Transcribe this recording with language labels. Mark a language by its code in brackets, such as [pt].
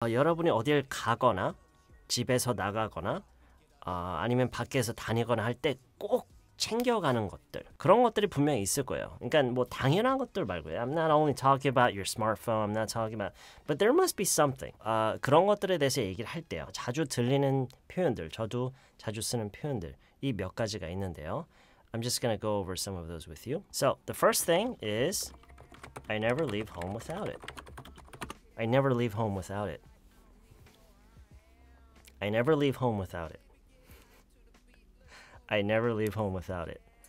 [ko] 여러분이 어딜 가거나 집에서 나가거나 아니면 밖에서 다니거나 할때꼭 챙겨가는 것들, 그런 것들이 분명히 있을 거예요. 그러니까 뭐 당연한 것들 말고요. [en] I'm not only talking about your smartphone. I'm not talking about, but there must be something. [ko] 그런 것들에 대해서 얘기를 할 때요. 자주 들리는 표현들, 저도 자주 쓰는 표현들 이몇 가지가 있는데요. [en] I'm just gonna go over some of those with you. So the first thing is, I never leave home without it. I never leave home without it. I never leave home without it. I never leave home without it.